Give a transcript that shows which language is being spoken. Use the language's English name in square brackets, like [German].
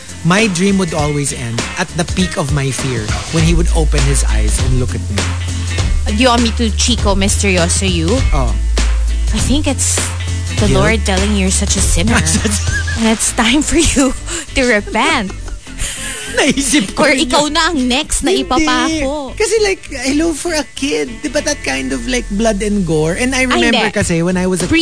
[English] My dream would always end at the peak of my fear when he would open his eyes and look at me. You want me to Chico Misterioso you? Oh. I think it's the guilt? Lord telling you you're such a sinner. And it's time for you to repent. [Filipino] Naisip ko or ikaw na ang next na ipapako. [English] Kasi like, hello for a kid. Diba that kind of like blood and gore? And I remember kasi when I was a